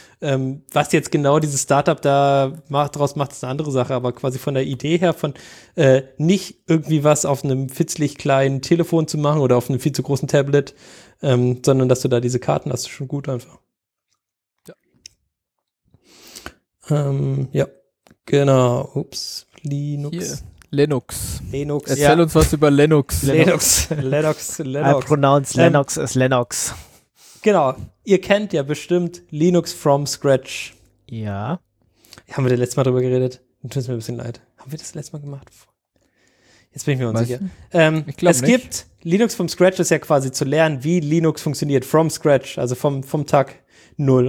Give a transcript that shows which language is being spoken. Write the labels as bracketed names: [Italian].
[German] Was jetzt genau dieses Startup da macht, daraus macht, ist eine andere Sache, aber quasi von der Idee her, von nicht irgendwie was auf einem fitzlig kleinen Telefon zu machen oder auf einem viel zu großen Tablet, sondern dass du da diese Karten hast, ist schon gut einfach. Ja, genau. Ups, Linux. Erzähl uns was über Linux. Linux. [English] I pronounce Linux as Lennox. [German] Genau, ihr kennt ja bestimmt Linux from Scratch. Ja. Haben wir das letzte Mal drüber geredet? Tut es mir ein bisschen leid. Haben wir das letzte Mal gemacht? Jetzt bin ich mir unsicher. Ich glaube nicht. Es gibt Linux vom Scratch ist ja quasi zu lernen, wie Linux funktioniert, [English] from Scratch, [German] also vom Tag Null.